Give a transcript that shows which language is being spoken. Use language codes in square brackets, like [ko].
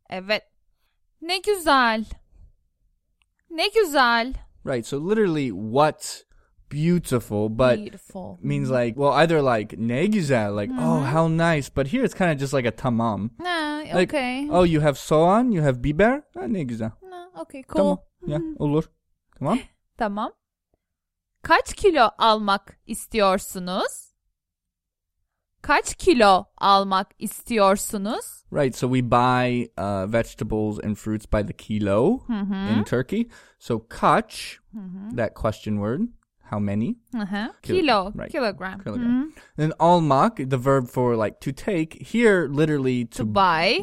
[tr] Evet. Ne güzel. Ne güzel. [en] Right. So literally, what beautiful, but beautiful. Means like, well, either like [tr] ne güzel, [en] like, mm-hmm. oh, how nice. But here it's kind of just like a tamam. Nah, like, okay. Oh, you have soğan, you have biber. [tr] Ah, ne güzel. [en] Nah, okay, cool. [tr] Tamam. Yeah, olur. Tamam. Tamam. Kaç kilo almak istiyorsunuz? Kaç kilo almak istiyorsunuz? [en] Right, so we buy vegetables and fruits by the kilo mm-hmm. in Turkey. So kaç, mm-hmm. that question word, how many? Uh-huh. Kilo, right. Kilogram. Kilogram. Mm-hmm. And almak, the verb for like to take, here literally to buy.